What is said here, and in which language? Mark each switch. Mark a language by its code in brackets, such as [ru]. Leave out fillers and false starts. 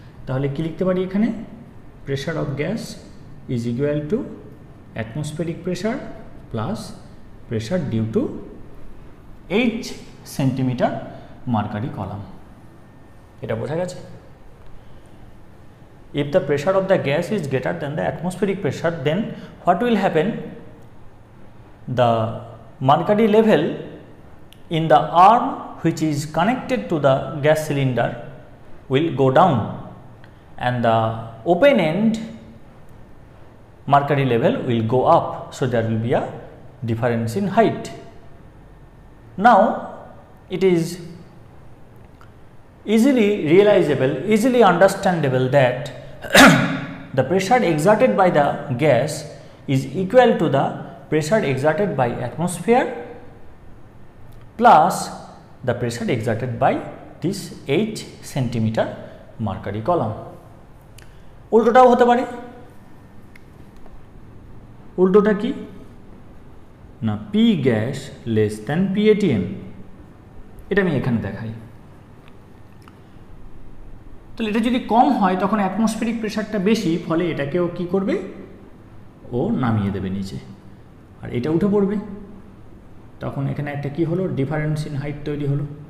[bn] তাহলে কী লিখতে পারি এখানে, [en] pressure of gas is equal to atmospheric pressure plus pressure due to H centimetre mercury column, [bn] এটা বোঝা গেছে। [en] If the pressure of the gas is greater than the atmospheric pressure then what will happen, the mercury level in the arm which is connected to the gas cylinder will go down and the open end mercury level will go up, so there will be a difference in height. Now it is easily realizable, easily understandable that the pressure exerted by the gas is equal to the pressure exerted by atmosphere plus the pressure exerted by this 8 centimeter mercury column. [bn] উল্টোটাও হতে পারে, উল্টোটা কি না, P gas less than P ATM, এটা আমি এখানে দেখাই। তাহলে এটা যদি কম হয় তখন অ্যাটমসফিয়ারিক প্রেশারটা বেশি, ফলে এটাকেও কি করবে, ও নামিয়ে দেবে নিচে আর এটা উঠে পড়বে, তখন এখানে একটা কি হলো, ডিফারেন্স ইন হাইট তৈরি হলো।